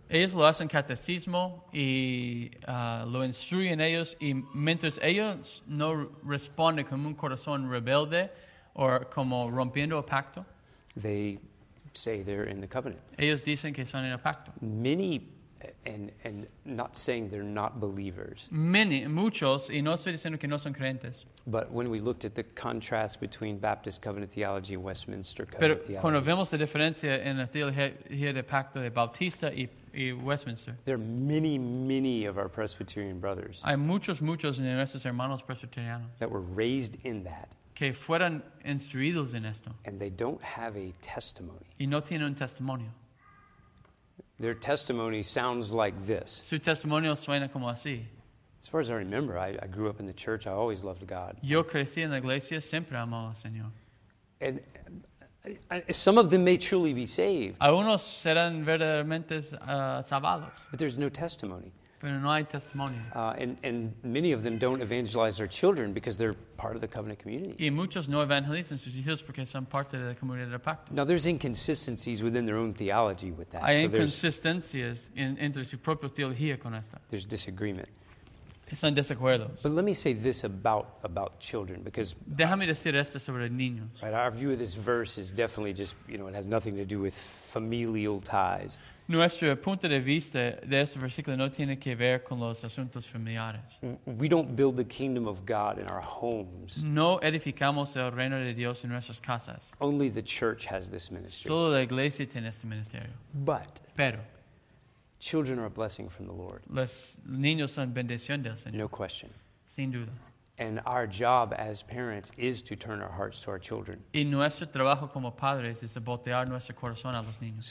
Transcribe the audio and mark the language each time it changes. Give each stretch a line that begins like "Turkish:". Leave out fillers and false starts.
Spanish: Ellos lo hacen catecismo y lo instruyen ellos, y mientras ellos no responden como un corazón rebelde o como rompiendo el pacto,
English: they say they're in the covenant.
Spanish: Ellos dicen que son en el pacto.
English: Many and not saying they're not believers. Many,
Spanish: muchos, y no estoy diciendo que no son creyentes.
English: But when we looked at the contrast between Baptist Covenant Theology and Westminster Covenant
Spanish: Pero
English: Theology.
Spanish: Cuando vemos la diferencia en la teología de pacto de Bautista y Westminster.
English: There are many, many of our Presbyterian brothers.
Spanish: Hay muchos, muchos de nuestros hermanos presbiterianos.
English: That were raised in that.
Spanish: Que fueron instruidos en esto.
English: And they don't have a testimony.
Spanish: Y no tienen un testimonio.
English: Their testimony sounds like this.
Spanish: Su testimonio suena como así.
English: As far as I remember, I grew up in the church. I always loved God.
Spanish: Yo crecí en la iglesia, siempre amo al Señor.
English: And some of them may truly be saved.
Spanish: Algunos serán verdaderamente salvados.
English: But there's no testimony.
Spanish: Pero no hay testimonio.
English: And many of them don't evangelize their children because they're part of the covenant community.
Spanish: Y muchos no evangelizan sus hijos porque son parte de la comunidad del pacto.
English: Now there's inconsistencies within their own theology with that.
Spanish: Hay inconsistencias entre su propia teología con esta.
English: There's disagreement.
Spanish: Están desacuerdos.
English: But let me say this about children, because
Spanish: déjame decir esto sobre niños.
English: Right, our view of this verse is definitely just, you know, it has nothing to do with familial ties.
Spanish: Nuestro punto de vista de este versículo no tiene que ver con los asuntos familiares.
English: We don't build the kingdom of God in our homes.
Spanish: No edificamos el reino de Dios en nuestras casas.
English: Only the church has this ministry.
Spanish: Solo la iglesia tiene este ministerio.
English: But.
Spanish: Pero.
English: Children are a blessing from the Lord.
Spanish: Los niños son bendición del Señor.
English: No question.
Spanish: Sin duda.
English: And our job as parents is to turn our hearts to our children.
Spanish: Y nuestro trabajo como padres es voltear nuestro corazón a los niños.